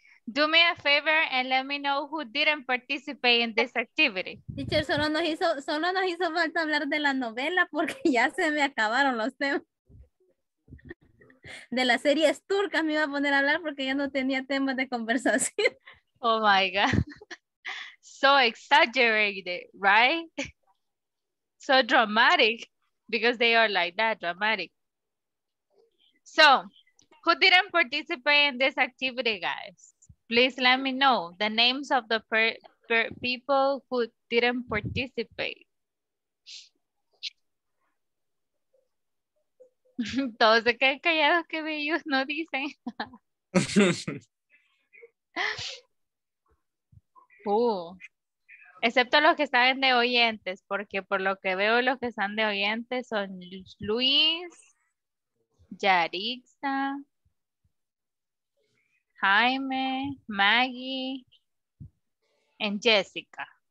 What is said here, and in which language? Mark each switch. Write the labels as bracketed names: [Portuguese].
[English] do me a favor and let me know who didn't participate in this activity. [Spanish] Teacher, solo nos hizo falta hablar de la novela porque ya se me acabaron los temas. De las series turcas me iba a poner a hablar porque ya no tenía temas de conversación. [English] Oh my God. So exaggerated, right? So dramatic, because they are like that, dramatic. So, who didn't participate in this activity, guys? Please let me know the names of the people who didn't participate. [Spanish] Todos se quedan callados que ellos no dicen. Excepto los que están de oyentes, porque por lo que veo los que están de oyentes son Luis, Yarixa, Jaime, Maggie, and Jessica.